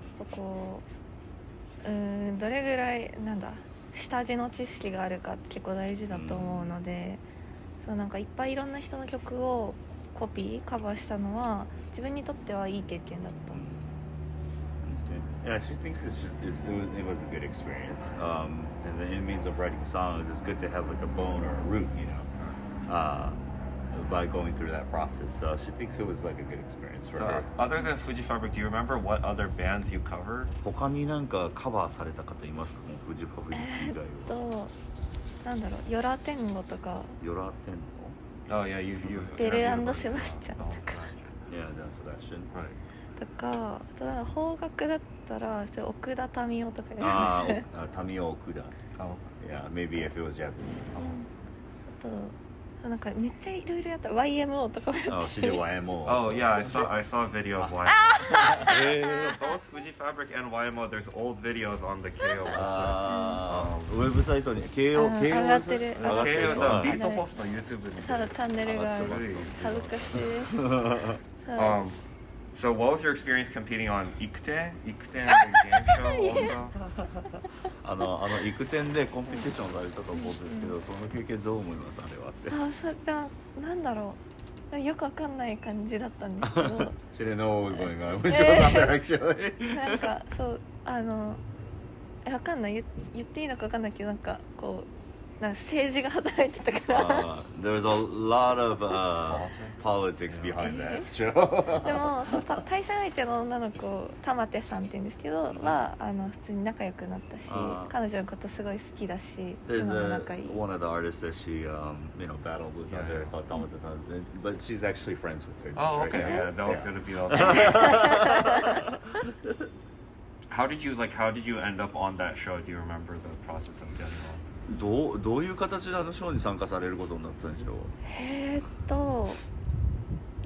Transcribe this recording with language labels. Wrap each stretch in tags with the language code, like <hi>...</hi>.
<ja>こう、どれぐらいなんだ下地の知識があるかって結構大事だと思うので、うん、そうなんかいっぱいいろんな人の曲をコピーカバーしたのは自分にとってはいい経験だった。</ja> <en>Yeah, she thinks it was a good experience. And the means of writing songs is good to have like a bone or a root, you know, by going through that process. So she thinks it was like a good experience for her. Other than Fuji Fabric, do you remember what other bands you covered?</en> <ja>他になんかカバーされた方いますか？フジファブリック以外は。なんだろう、ヨラテンゴとか。ヨラテンゴ？</ja> <en>Oh yeah, you.</en> <ja>ベル&セバスチャンとか。</ja> <en>Yeah, that's a question. Right.</en> <ja>とか、ただ邦楽だったら、それ奥田民生とかやりますね。民生奥田。</ja> <en>Yeah, maybe if it was Japanese.</en> <ja>あと、なんかめっちゃいろいろやった。 YMO とかもやってる。</ja> <en>Oh, she did YMO. Oh, yeah, I saw a video of YMO. Both Fuji Fabric and YMO, there's old videos on the KO</en> <ja>website. ウェブサイトに KO 上がってる。 KO のビートポップの YouTube に。そう、チャンネルがある。恥ずかしい。</ja> <en>So what was your experience competing on Ikuten? Ikuten game show also?</en> <ja>あの Ikuten でコンペティションされたと思うんですけど、その経験どう思いますあれはって。あ、そうじゃあ、なんだろう。よくわかんない感じだったんですけど。</ja> <en>She didn't know what was going on. Actually.</en> <ja>なんか、そう、あの、わかんない。言っていいのかわかんないけど、なんかこう、なんか政治が働いてたから。</ja> <en>There was a lot of politics behind that show.</en> <ja>でも対戦相手の女の子、タマテさんって言うんですけど、は、普通に仲良くなったし、彼女のことすごい好きだし、</ja> <en>There's</en> <ja>今も仲いい。</ja> <en>One of the artists that she, you know, battled with her, called タマテさん、but she's actually friends with her. Oh, okay. Right? Yeah, that was gonna be all. How did you end up on that show? Do you remember the process of getting on?</en> <ja>どういう形であのショーに参加されることになったんでしょう。</ja>